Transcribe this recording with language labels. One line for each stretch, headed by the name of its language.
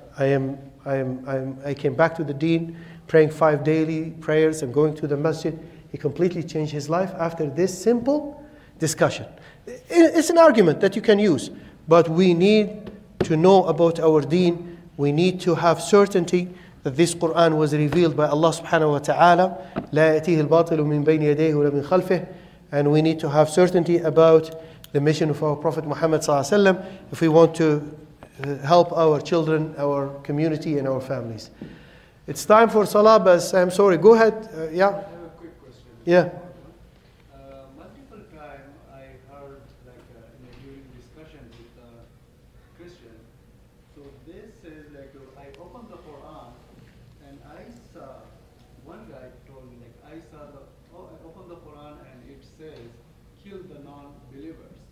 English: I came back to the deen, praying 5 daily prayers and going to the masjid. He completely changed his life after this simple discussion. It's an argument that you can use, but we need to know about our deen. We need to have certainty that this Quran was revealed by Allah subhanahu wa ta'ala.
Arabic: لا يأتيه الباطل من بين يديه ولا من خلفه.
English: And we need to have certainty about the mission of our Prophet Muhammad sallallahu alaihi wasallam if we want to help our children, our community, and our families. It's time for Salah, but I'm sorry. Go ahead. Yeah. I have a quick question. Yeah. Multiple times I heard, during discussion with a Christian, so this is I opened the Quran and I saw, one guy told me, I opened the Quran and it says, kill the non believers.